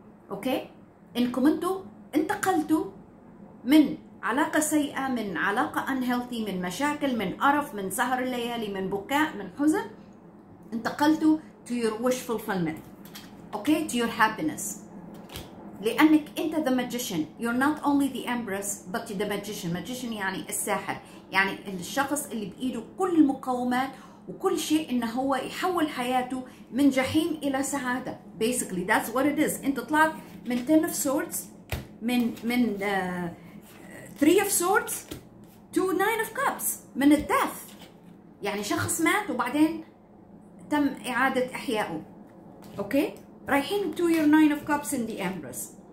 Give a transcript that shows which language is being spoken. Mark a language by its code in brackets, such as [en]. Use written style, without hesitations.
[ar] أوكي؟ إنكم أنتوا انتقلتوا من علاقة سيئة، من علاقة unhealthy، من مشاكل، من قرف، من سهر الليالي، من بكاء، من حزن، انتقلتوا [en] to your wish fulfillment. Okay? to your happiness. [ar] لأنك أنت [en] the magician. You're not only the empress but the magician. [ar] magician يعني الساحر، يعني الشخص اللي بإيده كل المقومات وكل شيء إنه هو يحول حياته من جحيم إلى سعادة. [en] basically that's what it is. [ar] أنت طلعت من 10 of swords، من 3 of swords to 9 of cups من الdeath، يعني شخص مات وبعدين تم إعادة إحيائه. [en] okay [ar] رايحين [en] to your nine of cups in the empress.